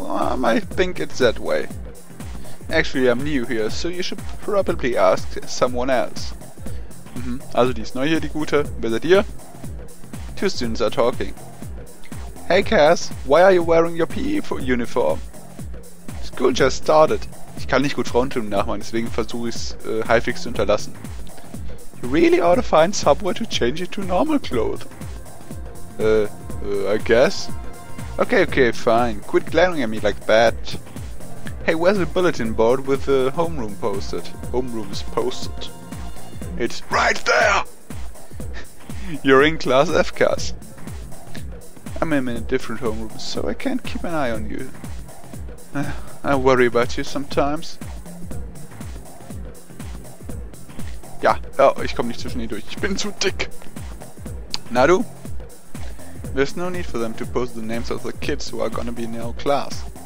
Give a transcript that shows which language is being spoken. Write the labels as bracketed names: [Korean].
[English] I think it's that way. Actually, I'm new here, so you should probably ask someone else. [German] Also, die ist neu hier, die Gute. Wer seid ihr? [English] Two students are talking. Hey Cass, why are you wearing your PE uniform? School just started. [German] Ich kann nicht gut Frauentum nachmachen, deswegen versuche ich es halbwegs zu unterlassen. [English] You really ought to find somewhere to change it to normal clothes. I guess. Okay, fine. Quit glaring at me like that. Hey, where's the bulletin board with the homeroom posted? Homeroom is posted. It's right there! You're in class F, Cass. I'm in a different homeroom, so I can't keep an eye on you. I worry about you sometimes. [German] Ja, oh, ich komme nicht zwischen ihnen durch. Ich bin zu dick. Na du? [English] There's no need for them to post the names of the kids who are gonna be in our class.